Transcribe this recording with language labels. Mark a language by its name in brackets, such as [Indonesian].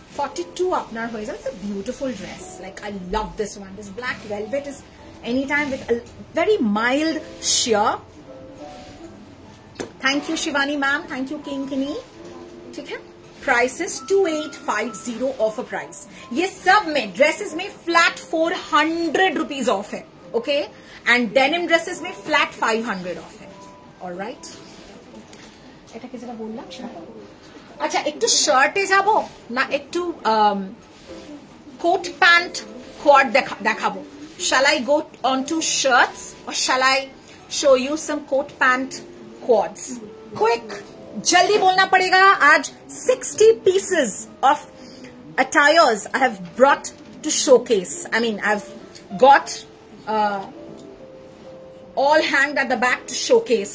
[English] 42 [Bangla] আপনার হয়ে যাবে। [English] It's a beautiful dress, like I love this one, this black velvet is any time with a very mild sheer. Thank you Shivani ma'am, thank you Kinkini, [Bangla] ঠিক আছে? [English] price is 2850 off a price, [Hindi] ইয়ে সব মে dresses May flat 400 rupees of হ্যায়, [English] Okay? And denim dresses may flat 500 off it. All right? [Bangla] এটা কি যেটা বললাম? আচ্ছা একটু শার্টে যাব না, একটু কোট প্যান্ট কোয়াড দেখাবো। [English] Shall I go on to shirts or shall I show you some coat pant quads? Quick! [Hindi] jaldi bolna padega aaj [English] 60 pieces of attires I have brought to showcase. I mean, I've got all hanged at the back to showcase.